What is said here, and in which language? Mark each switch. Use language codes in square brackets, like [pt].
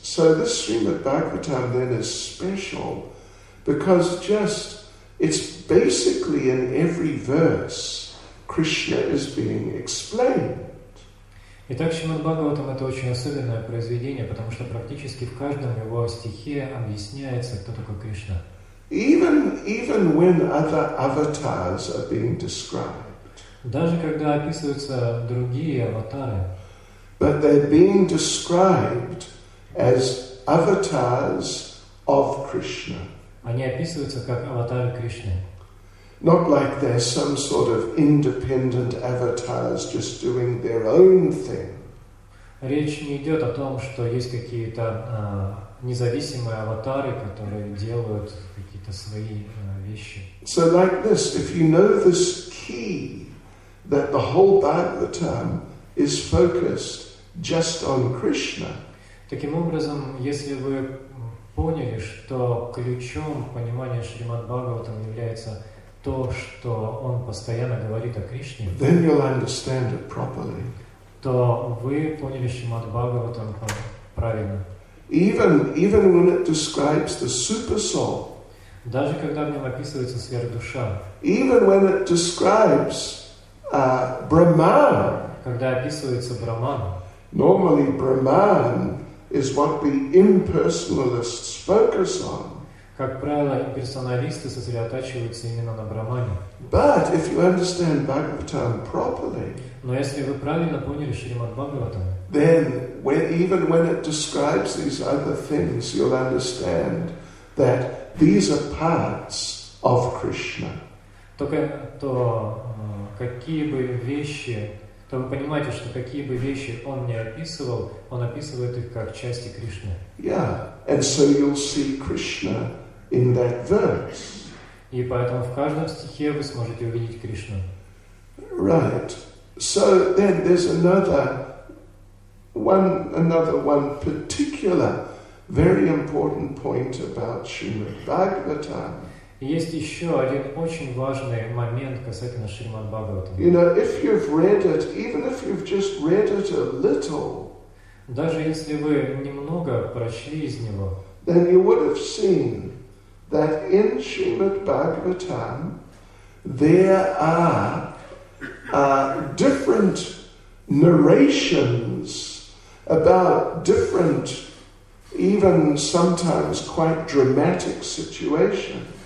[en] So this Srimad Bhagavatam then is special because it's basically in every verse Krishna is being explained. [ru] Итак, Шримад Бхагаватам – это очень особенное произведение, потому что практически в каждом его стихе объясняется, кто такой Кришна. [en] Even when other avatars are being described. [ru] Даже когда описываются другие аватары. [en] But they're being described as avatars of Krishna. [ru] Они описываются как аватары Кришны. [en] Not like they're some sort of independent avatars just doing their own thing. [ru] Речь не идет о том, что есть какие-то независимые аватары, которые делают какие-то свои вещи. [en] So like this, if you know this key, that the whole Bhagavatam is focused just on Krishna. [ru] Таким образом, если вы поняли, что ключом понимания Шримад-Бхагаватам является то, что он постоянно говорит о Кришне, [en] then you'll understand it properly. [ru] То вы поняли Шримад-Бхагаватам правильно. [en] Even when it describes the super soul, [ru] даже когда в нем описывается сверхдуша, [en] even when it describes Brahman, [ru] когда описывается Брахман, [en] normally Brahman is what the impersonalists focus on. [ru] Как правило, имперсоналисты сосредотачиваются именно на Брахмане. [en] But if you understand Bhagavatam properly, [ru] но если вы правильно поняли Шримад-Бхагаватам, [en] then even when it describes these other things, you'll understand that these are parts of Krishna. [ru] То какие бы вещи, то вы понимаете, что какие бы вещи он не описывал, он описывает их как части Кришны. [en] Yeah, and so you'll see Krishna in that verse. [ru] И поэтому в каждом стихе вы сможете увидеть Кришну. [en] Right. So then there's another one particular very important point about Srimad Bhagavatam. [ru] Есть еще один очень важный момент касательно Шримад-Бхагаватам. [en] You know, if you've read it, even if you've just read it a little, [ru] даже если вы немного прочли из него, [en] then you would have seen that in Шримад-Бхагаватам there are different narrations about different, even sometimes quite dramatic situations.